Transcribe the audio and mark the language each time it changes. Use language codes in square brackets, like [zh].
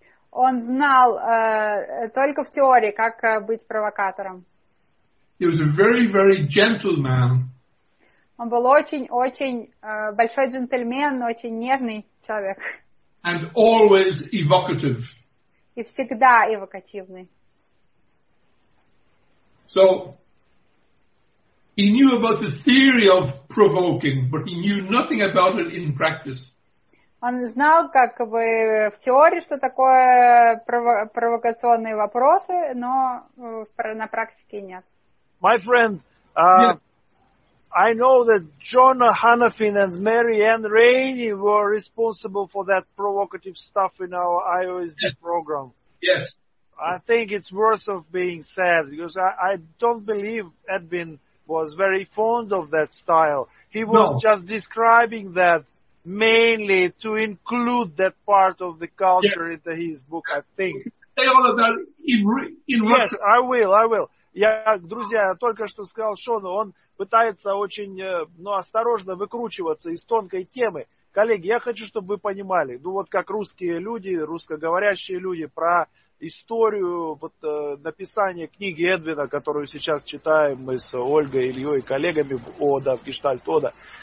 [ru] Он знал только в теории, как быть провокатором. [en] He was a very, very gentle man. [ru] Он был очень-очень большой джентльмен, очень нежный человек. [en] And always evocative. [ru] И всегда эвокативный. [en] So, he knew about the theory of provoking, but he knew nothing about it in practice. [ru] Он знал, как бы, в теории, что такое провокационные вопросы, но на практике нет. [en] My friend, yeah. I know that John Hanafin and Mary Ann Rainey were responsible for that provocative stuff in our IOSD yeah. program. Yes. I think it's worth of being said because I don't believe Edwin was very fond of that style. He was no. just describing that mainly to include that part of the culture yeah. into his book, I think. Say all of that in Yes, Russia. I will. [ru] Я, друзья, только что сказал Шону, он пытается очень, ну, осторожно выкручиваться из тонкой темы. Коллеги, я хочу, чтобы вы понимали, ну вот как русские люди, русскоговорящие люди, про историю вот, написания книги Эдвина, которую сейчас читаем мы с Ольгой, Ильей и коллегами в ОДА, в Гештальт ОДА.